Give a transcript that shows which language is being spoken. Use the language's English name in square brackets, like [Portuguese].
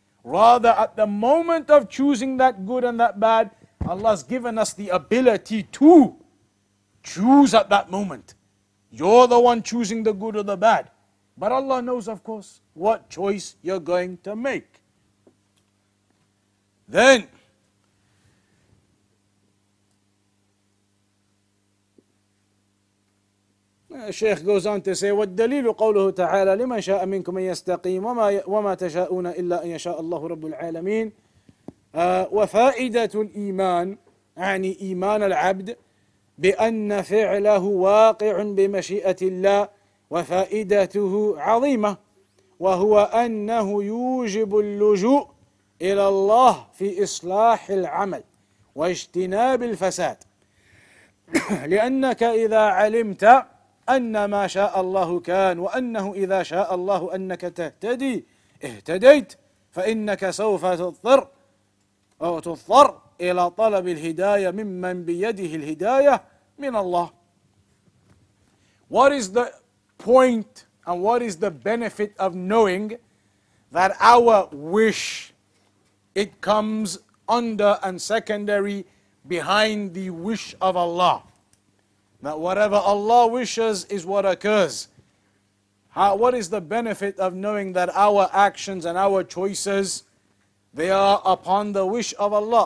[English] Rather, at the moment of choosing that good and that bad, Allah's given us the ability to choose at that moment. You're the one choosing the good or the bad. But Allah knows, of course, what choice you're going to make. Then, Shaykh goes on to say, [Arabic] وَالدَّلِيلُ قَوْلُهُ تَعَالَى لِمَنْ شَاءَ مِنْكُمْ أَنْ يَسْتَقِيمُ وَمَا تَشَاءُونَ إِلَّا أَنْ يَشَاءَ اللَّهُ رَبُّ الْعَالَمِينَ وَفَائِدَةُ الْإِيمَانِ يعني إيمان العبد بأن فعله واقع بمشيئة الله وفائدته عظيمة وهو أنه يوجب اللجوء إلى الله في إصلاح العمل واجتناب الفساد لأنك إذا علمت أن ما شاء الله كان وأنه إذا شاء الله أنك تهتدي اهتديت فإنك سوف تضطر أو تضطر إلى طلب الهداية ممن بيده الهداية من الله. [English] What is the point and what is the benefit of knowing that our wish, it comes under and secondary behind the wish of Allah? That whatever Allah wishes is what occurs. What is the benefit of knowing that our actions and our choices, they are upon the wish of Allah?